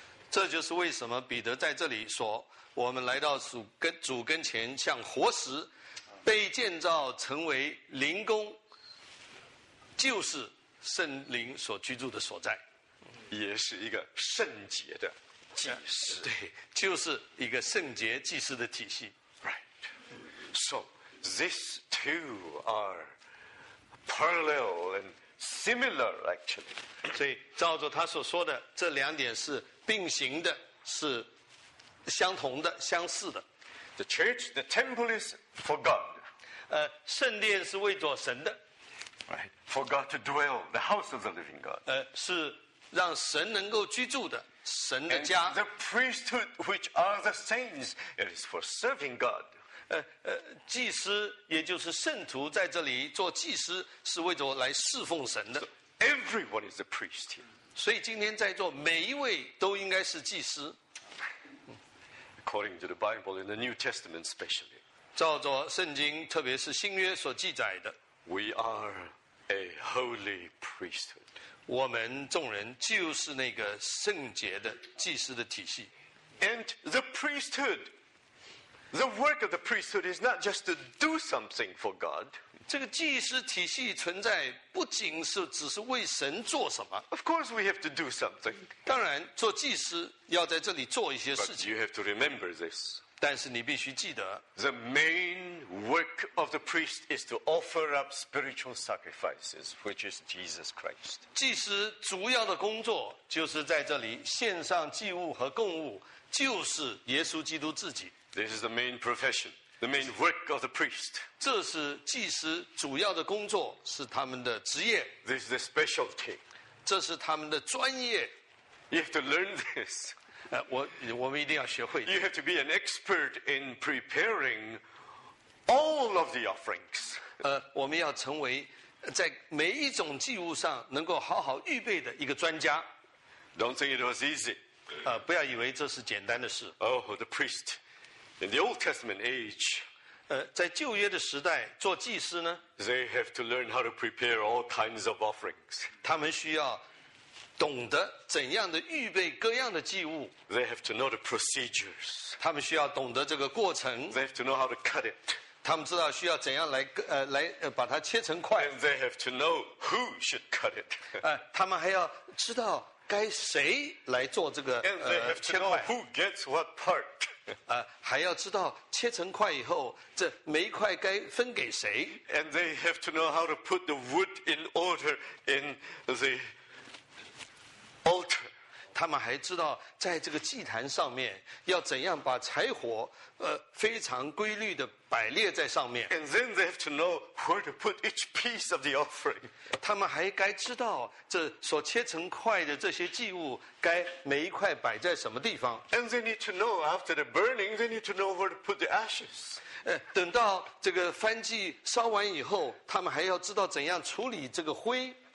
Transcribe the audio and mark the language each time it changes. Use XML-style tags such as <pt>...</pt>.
<zh>这就是为什么彼得在这里说，我们来到主跟前，像活石被建造成为灵宫，就是圣灵所居住的所在，也是一个圣洁的祭司。对，就是一个圣洁祭司的体系。</zh> <en>Right. So these two are parallel and similar, actually.</en> <zh>所以照着他所说的，这两点是并行的，是相同的、相似的。</zh> <en>The church, the temple is for God.</en> <zh>圣殿是为着神的。</zh> <en>Right. For God to dwell, the house of the living God.</en> <zh>是让神能够居住的神的家。</zh> <en>And the priesthood, which are the saints, it is for serving God.</en> <zh>祭司也就是圣徒在这里做祭司，是为着来侍奉神的。</zh> <en>So、everyone is a priest here.</en> <zh>所以今天在座每一位都应该是祭司。</zh> <en>According to the Bible in the New Testament, especially.</en> <zh>照着圣经，特别是新约所记载的。</zh> <en>We are a holy priesthood.</en> <zh>我们众人就是那个圣洁的祭司的体系。</zh> <en>And the priesthood, the work of the priesthood is not just to do something for God.</en> <zh>这个祭司体系存在不仅是只是为神做什么。</zh> <en>Of course we have to do something.</en> <zh>当然做祭司要在这里做一些事情。</zh> <en>But you have to remember this.</en> <zh>但是你必须记得</zh> <en>，The main work of the priest is to offer up spiritual sacrifices, which is Jesus Christ.</en> <zh>祭司主要的工作就是在这里献上祭物和供物，就是耶稣基督自己。</zh> <en>This is the main profession, the main work of the priest.</en> <zh>这是祭司主要的工作，是他们的职业。</zh> <en>This is the specialty.</en> <zh>这是他们的专业。</zh> <en>You have to learn this.</en> <zh>我们一定要学会。</zh> <en>You have to be an expert in preparing all of the offerings.</en> <zh>我们要成为在每一种祭物上能够好好预备的一个专家。</zh> <en>Don't think it was easy.</en> <zh>不要以为这是简单的事。</zh> <en>Oh, the priest in the Old Testament age.</en> <zh>在旧约的时代做祭司呢</zh> <en>？They have to learn how to prepare all kinds of offerings.</en> <zh>他们需要。懂得怎样的预备各样的祭物</zh> <en>They have to know the procedures.</en> <zh>他们需要懂得这个过程</zh> <en>They have to know how to cut it.</en> <zh>他们知道需要怎样 来把它切成块</zh> <en>And they have to know who should cut it.</en> <zh>他们还要知道该谁来做这个</zh> <en>And they have to know who gets what part.</en> <zh>还要知道切成块以后这每一块该分给谁</zh> <en>And they have to know how to put the wood in order in the...</en> <zh>他们还知道在这个祭坛上面要怎样把柴火非常规律的摆列在上面</zh> <en>And then they have to know where to put each piece of the offering</en> <zh>他们还该知道这所切成块的这些祭物该每一块摆在什么地方</zh> <en>And they need to know after the burning they need to know where to put the ashes</en> <zh>等到这个燔祭烧完以后他们还要知道怎样处理这个灰</zh>